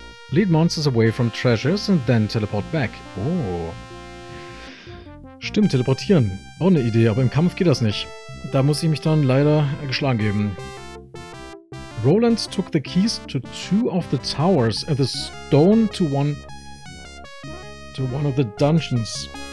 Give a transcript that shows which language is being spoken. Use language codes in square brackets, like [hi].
[en] Lead monsters away from treasures and then teleport back. [de] Oh. Stimmt, teleportieren. Auch eine Idee, aber im Kampf geht das nicht. Da muss ich mich dann leider geschlagen geben. [en] Roland took the keys to two of the towers and the stone to one of the dungeons.